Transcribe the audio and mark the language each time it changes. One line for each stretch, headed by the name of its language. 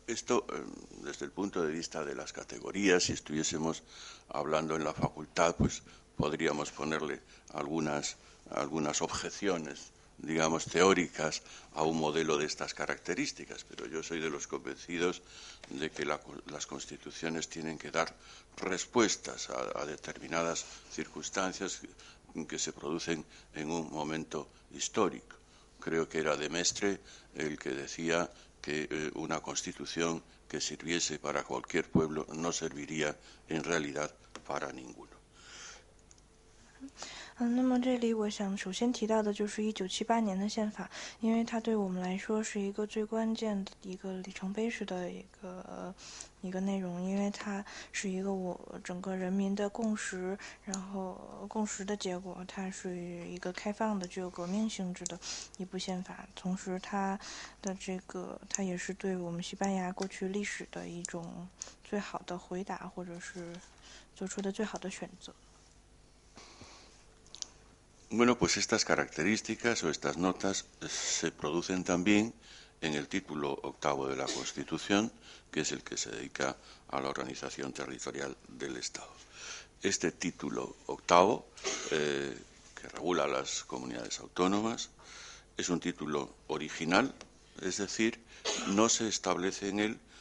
Spanish: Esto, desde el punto de vista de las categorías, si estuviésemos hablando en la facultad, pues podríamos ponerle algunas objeciones, digamos, teóricas a un modelo de estas características, pero yo soy de los convencidos de que las constituciones tienen que dar respuestas a determinadas circunstancias que se producen en un momento histórico. creo que era Demestre el que decía que una constitución que sirviese para cualquier pueblo no serviría en realidad para ninguno.
Chinese: 那么这里我想首先提到的就是 1978年的宪法， 因为它对我们来说是一个最关键的一个里程碑式的一个内容， 因为它是一个我整个人民的共识， 然后共识的结果， 它是一个开放的具有革命性质的一部宪法， 同时它的这个， 它也是对我们西班牙过去历史的一种最好的回答， 或者是做出的最好的选择。
Spanish: Bueno, pues estas características o estas notas se producen también en el título octavo de la Constitución, que es el que se dedica a la organización territorial del Estado. Este título octavo, que regula las comunidades autónomas, es un título original, es decir, no se establece en él